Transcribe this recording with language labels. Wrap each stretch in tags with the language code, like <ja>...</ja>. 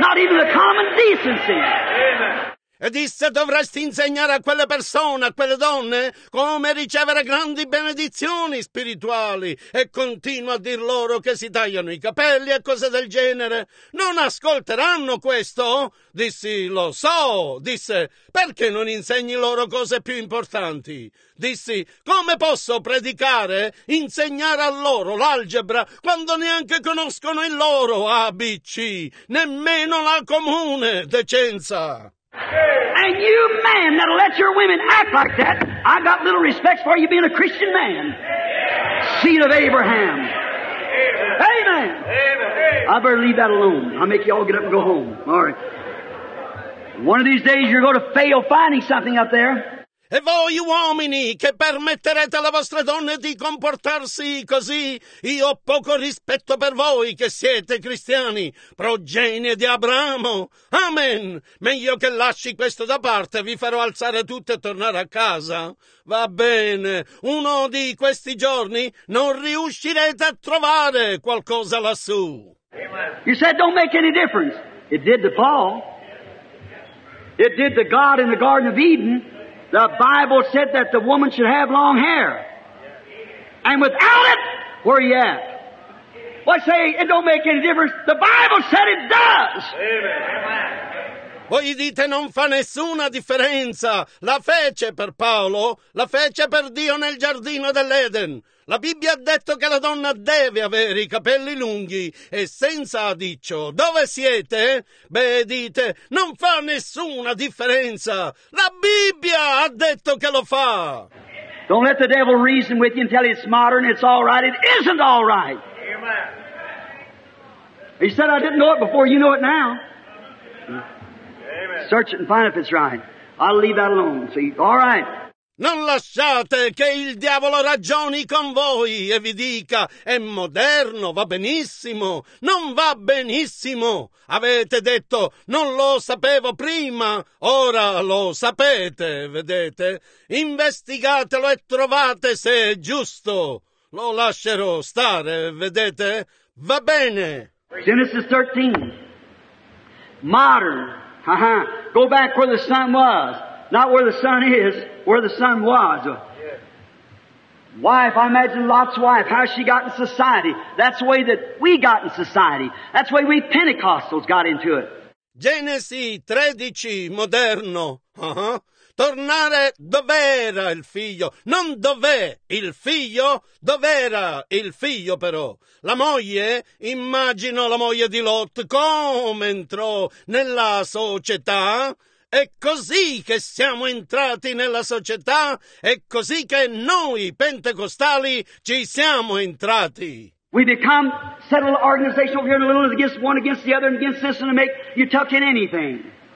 <en>Not even the common decency. Amen.</en> <it>E disse, dovresti insegnare a quelle persone, a quelle donne, come ricevere grandi benedizioni spirituali. E continua a dir loro che si tagliano i capelli e cose del genere. Non ascolteranno questo? Dissi, lo so. Disse, perché non insegni loro cose più importanti? Dissi, come posso predicare, insegnare a loro l'algebra, quando neanche conoscono il loro ABC, nemmeno la comune decenza?</it> <en>And you man that'll let your women act like that, I got little respect for you being a Christian man. Amen. Seed of Abraham. Amen. Amen. Amen. I better leave that alone. I'll make you all get up and go home. All right. One of these days you're going to fail finding something up there.</en> <it>E voi uomini che permetterete alle vostre donne di comportarsi così, io ho poco rispetto per voi che siete cristiani, progenie di Abramo. Amen. Meglio che lasci questo da parte, vi farò alzare tutte e tornare a casa. Va bene, uno di questi giorni non riuscirete a trovare qualcosa lassù.</it> <en>You said don't make any difference. It did to Paul. It did to God in the Garden of Eden. The Bible said that the woman should have long hair. And without it, where are you at? Why say it don't make any difference? The Bible said it does. Amen.</en> <it>Voi dite non fa nessuna differenza. La fece per Paolo, la fece per Dio nel giardino dell'Eden. La Bibbia ha detto che la donna deve avere i capelli lunghi e senza adiccio. Dove siete? Beh, dite, non fa nessuna differenza. La Bibbia ha detto che lo fa.</it> <en>Don't let the devil reason with you and tell you it's modern, it's all right. It isn't all right. Amen. He said, I didn't know it before, you know it now. Amen. Search it and find if it's right. I'll leave that alone, see? All right.</en> <it>Non lasciate che il diavolo ragioni con voi e vi dica, è moderno, va benissimo, non va benissimo. Avete detto, non lo sapevo prima, ora lo sapete, vedete? Investigatelo e trovate se è giusto. Lo lascerò stare, vedete? Va bene.</it> <en>Genesis 13. Modern. Go back where the sun was. Not where the sun is, where the sun was. Yes. Wife, I imagine Lot's wife, how she got in society. That's the way that we got in society. That's the way we Pentecostals got into it.</en> <it>Genesi 13, moderno. Tornare dov'era il figlio? Non dov'è il figlio? Dov'era il figlio però? La moglie? Immagino la moglie di Lot. Come entrò nella società? È così che siamo entrati nella società, è così che noi pentecostali ci siamo entrati.</it> <en>We become settled organization over here in a little against one, against the other, and against this, and to make you tuck in anything.</en>